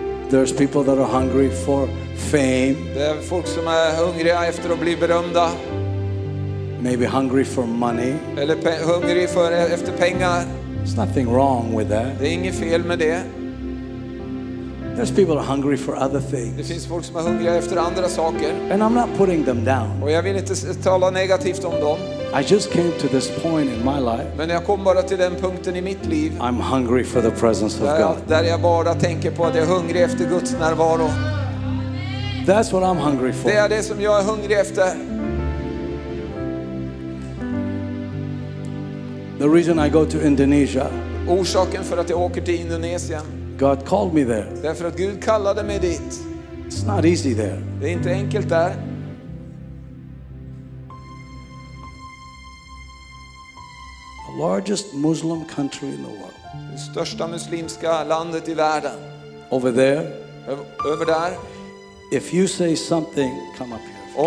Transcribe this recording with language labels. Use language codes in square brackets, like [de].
[en] There's people that are hungry for fame. [sv] Det är folk som är hungriga efter att bli berömda. [en] Maybe hungry for money. [sv] Eller hungrig för efter pengar. [en] There's nothing wrong with that. [sv] Det är inget fel med det. [en] There's people are hungry for other things. [sv] Det finns folk som är hungriga efter andra saker. [en] And I'm not putting them down. [sv] Och jag vill inte tala negativt om dem. [en] I just came to this point in my life. [sv] Men jag kom bara till den punkten i mitt liv. [en] I'm hungry for the presence of God. [sv] Där jag bara tänker på att jag är hungrig efter Guds närvaro. [en] That's what I'm hungry for. [sv] Det är det som jag är hungrig efter. [en] The reason I go to Indonesia. [sv] Orsaken för att jag åker till Indonesien. [en] God called me there. [sv] Därför att Gud kallade mig dit. [en] It's not easy there. [sv] Det är inte enkelt där. [en] The largest Muslim country in the world. [sv] Det största muslimska landet i världen. [en] Over there. [sv] Över där. [en] If you say something, come up here.